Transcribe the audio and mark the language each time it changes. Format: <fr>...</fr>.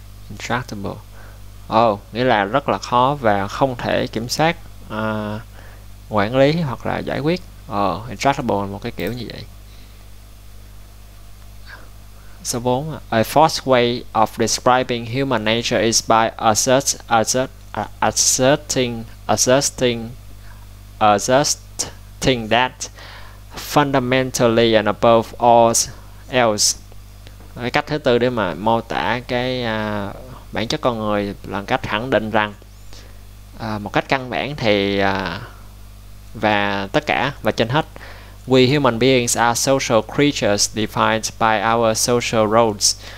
<vi>Intractable, nghĩa là rất là khó và không thể kiểm soát, quản lý hoặc là giải quyết. Intractable là một cái kiểu như vậy. Số 4,</vi> <en>a fourth way of describing human nature is by asserting that fundamentally and above all else.</en> <vi>Cái cách thứ tư để mà mô tả cái bản chất con người là cách khẳng định rằng một cách căn bản thì và tất cả và trên hết,</vi> <en>we human beings are social creatures defined by our social roles.</en>